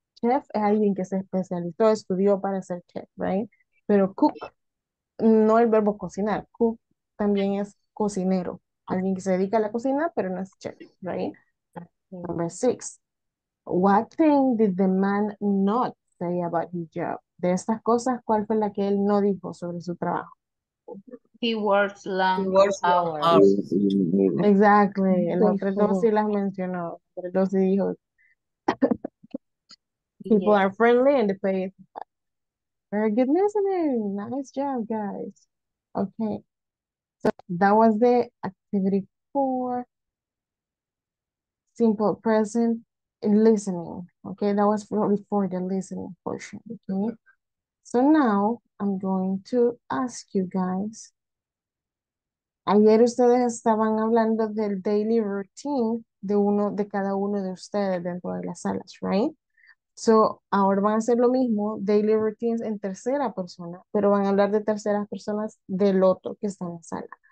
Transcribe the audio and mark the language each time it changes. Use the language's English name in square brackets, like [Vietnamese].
[Spanish] Chef es alguien que se especializó, estudió para ser chef, right? Pero cook, no el verbo cocinar. Cook también es cocinero. Alguien que se dedica a la cocina, pero no es chef, right? [English] Number six. What thing did the man not say about his job? [Spanish] De estas cosas, ¿cuál fue la que él no dijo sobre su trabajo? [English] He works long hours. [Spanish] Exactly. El hombre no sí las mencionó. El hombre sí dijo. [English] People are friendly and the pay is high. Very good listening. Nice job, guys. Okay. So that was the activity four. Simple present in listening. Okay, that was for the listening portion. Okay. So now I'm going to ask you guys. [Spanish] Ayer ustedes estaban hablando del daily routine de uno de cada uno de ustedes dentro de las salas, right? So, ahora van a hacer lo mismo, daily routines en tercera persona, pero van a hablar de terceras personas del otro que está en la sala.